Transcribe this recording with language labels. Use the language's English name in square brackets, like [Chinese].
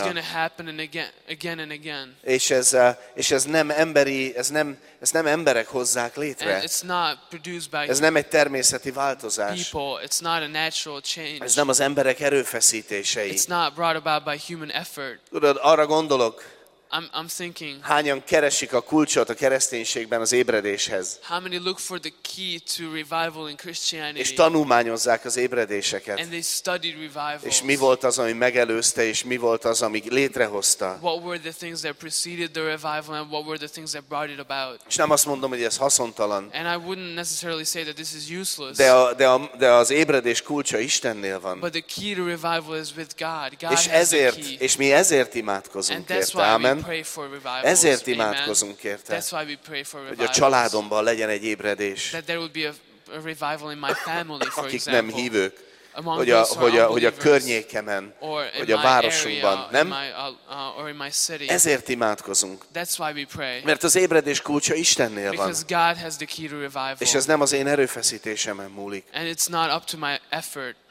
[English] It's gonna happen and again, again and again. [Hungarian] És ez nem emberi, ez nem emberek hozzák létre. [English] And it's not produced by [Hungarian] ez nem egy természeti változás. [English] People, it's not a natural change. [Hungarian] Ez nem az emberek erőfeszítései. [English] It's not brought about by human effort. [Hungarian] Tudod, arra gondolok. [English] I'm thinking. [Hungarian] Hányan keresik a kulcsot a kereszténységben az ébredéshez? [English] How many look for the key to revival in Christianity? [Hungarian] És tanulmányozzák az ébredéseket. [English] And they studied revivals. [Hungarian] És mi volt az, ami megelőzte, és mi volt az, ami létrehozta? [English] What were the things that preceded the revival and what were the things that brought it about? [Hungarian] És nem azt mondom, hogy ez haszontalan. [English] And I wouldn't necessarily say that this is useless. [Hungarian] De az ébredés kulcsa Istennél van. [English] But the key to revival is with God. God [Hungarian] és ezért, [English] has the key. [Hungarian] És mi ezért imádkozunk érte. [English] We pray for revivals. [Hungarian] Ezért imádkozunk érte. [English] That's why we pray for revivals. [Hungarian] Hogy a családomban legyen egy ébredés. [English] That there would be a revival in my family, for [Hungarian] akik [English] example. [Hungarian] Nem hívők. Hogy a környékemen, hogy a városunkban, [English] area, [Hungarian] nem? [English] My city. [Hungarian] Ezért imádkozunk. [English] That's why we pray. [Hungarian] Mert az ébredés kulcsa Istennél van. [English] Because God has the key to revival. [Hungarian] És ez nem az én erőfeszítésemen múlik. [English] And it's not up to my effort.